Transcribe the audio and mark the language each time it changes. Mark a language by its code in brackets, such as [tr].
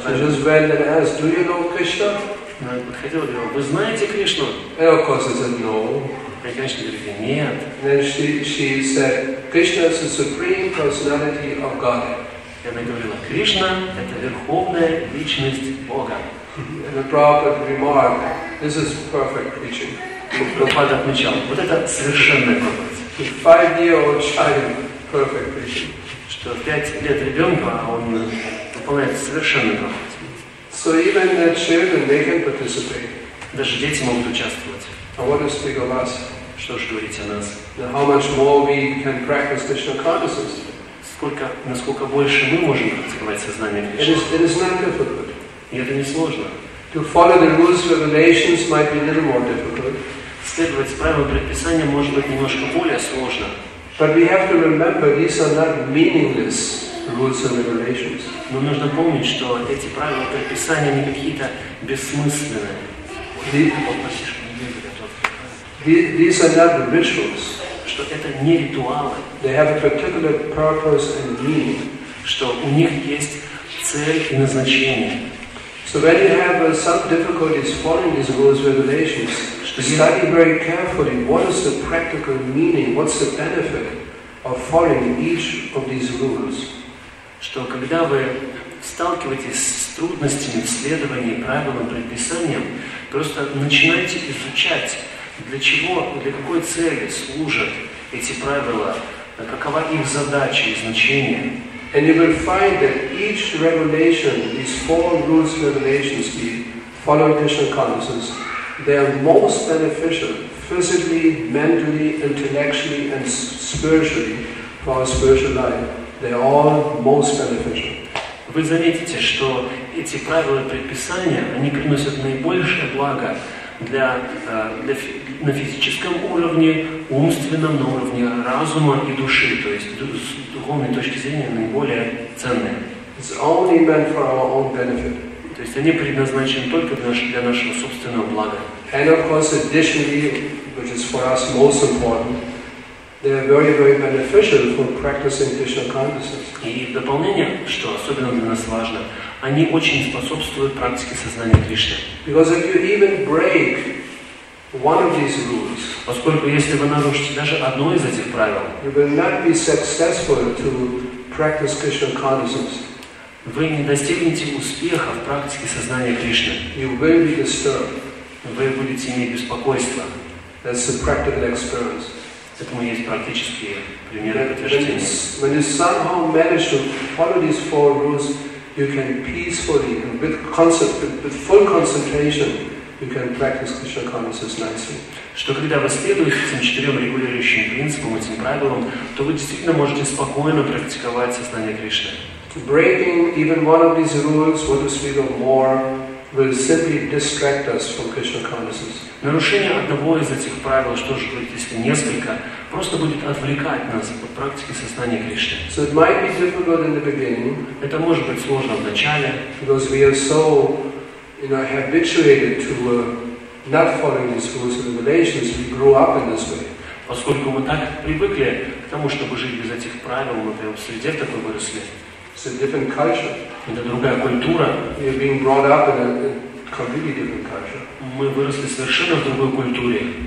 [en] so just went and asked, do you know Krishna? [ru] Вы знаете Кришну? [en] And of course I said no. [ru] И, конечно, говорит, нет. [en] Then she said, Krishna is the supreme personality of God. [ru] И она говорила, Кришна это верховная личность Бога. [en] And the prophet remarked, this is perfect preaching. [ru] Прабхупада отмечал, вот это совершенная проповедь. [en] 5-year-old child, perfect preaching. [ru] Что 5 лет ребенка, а он выполняет совершенно проповедь. [en] So even the children, they can participate. [ru] Даже дети могут участвовать. [en] And what do you speak of us? [ru] Что же говорить о нас? [en] Now how much more we can practice Krishna consciousness? [ru] Сколько, насколько больше мы можем практиковать сознание Кришны? [en] It is not difficult. [ru] И это не сложно. [en] To follow the rules, regulations might be a little more difficult. [ru] Следовать правилам предписания может быть немножко более сложно. [en] But we have to remember these are not meaningless. Rules and regulations. [ru] Но нужно помнить, что эти правила предписания не какие-то бессмысленные. [en] These are not rituals. [ru] Что это не ритуалы. [en] They have a particular purpose and meaning. [ru] Что у них есть цель и назначение. [en] So when you have some difficulties following these rules and regulations, study very carefully what is the practical meaning, what's the benefit of following each of these rules. [ru] Что когда вы сталкиваетесь с трудностями в следовании правилам, предписаниям, просто начинайте изучать, для чего, для какой цели служат эти правила, какова их задача и значение. [en] And you will find that each regulation, these four rules and regulations, the following Krishna consciousness, they are most beneficial physically, mentally, intellectually and spiritually for our spiritual life. They are all most beneficial. [ru] Вы заметите, что эти правила и предписания, они приносят наибольшее благо для, на физическом уровне, умственном на уровне разума и души, то есть с духовной точки зрения наиболее ценные. [en] It's only meant for our own benefit. [ru] То есть они предназначены только для нашего собственного блага. [en] And of course, additionally, which is for us most important, they are very, very beneficial for practicing Krishna consciousness. [ru] И в дополнение, что особенно для нас важно, они очень способствуют практике сознания Кришны. [en] Because if you even break one of these rules, [ru] поскольку если вы нарушите даже одно из этих правил, [en] you will not be successful to practice Krishna consciousness. [ru] Вы не достигнете успеха в практике сознания Кришны. [en] You will be disturbed. [ru] Вы будете иметь беспокойство. [en] That's a practical experience. [ru] Поэтому есть практические примеры подтверждения. [en] When you somehow manage to follow these four rules, you can peacefully and with full concentration, you can practice Krishna consciousness nicely. [ru] Что когда вы следуете этим четырем регулирующим принципам, этим правилам, то вы действительно можете спокойно практиковать сознание Кришны. [en] Breaking even one of these rules, what is even more, will simply distract us from Krishna consciousness. [ru] Нарушение одного из этих правил, что же будет, если несколько, просто будет отвлекать нас от практики сознания Кришны. [en] So it might be difficult in the beginning. [ru] Это может быть сложно в начале. [en] Because we are so, you know, habituated to not following these rules and regulations, we grew up in this way. [ru] Поскольку мы так привыкли к тому, чтобы жить без этих правил, мы прямо в среде в такой выросли. [en] It's a different culture. [ru] Это другая культура. [en] We're being brought up in a completely different culture. [ru] Мы выросли совершенно в другой культуре.